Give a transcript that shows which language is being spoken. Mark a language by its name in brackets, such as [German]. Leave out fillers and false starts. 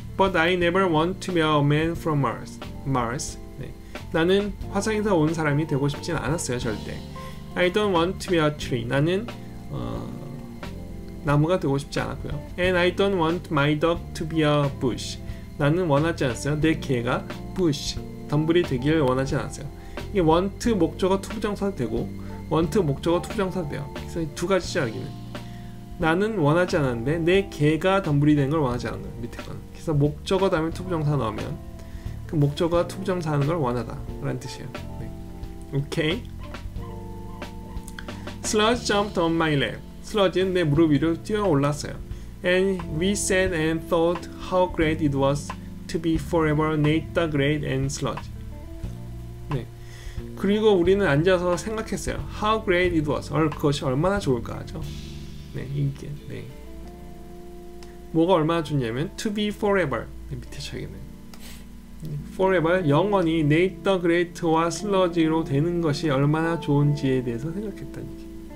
[English] But I never want to be a man from Mars. Mars. 네. [Korean] 나는 화성에서 온 사람이 되고 싶진 않았어요, 절대. [English] I don't want to be a tree. [Korean] 나는 나무가 되고 싶지 않았고요. [English] And I don't want my dog to be a bush. [Korean] 나는 원하지 않았어요. 내 개가 bush. 덤불이 되길 원하지 않았어요. 이게 want 목적어 to 부정사도 되고 want 목적어 to 부정사도 돼요. 그래서 두 가지죠 여기는. 나는 원하지 않았는데 내 개가 덤불이 되는 걸 원하지 않은 거예요. 밑에 건. 그래서 목적어 다음에 to 부정사 넣으면 그 목적어가 to 부정사하는 걸 원하다 라는 뜻이에요. 네. 오케이. [English] Sludge jumped on my lap. [Korean] Sludge는 내 무릎 위로 뛰어 올랐어요. [English] And we sat and thought how great it was to be forever Nate the Great and Sludge. [Korean] 네. 그리고 우리는 앉아서 생각했어요. [English] How great it was. [Korean] 그것이 얼마나 좋을까 하죠. 네, 이게. 네. 뭐가 얼마나 좋냐면 [English] to be forever. [Korean] 네, 밑에 적이네요. Forever 영원히 Nate the Great와 Sludge로 되는 것이 얼마나 좋은지에 대해서 생각했다는 게.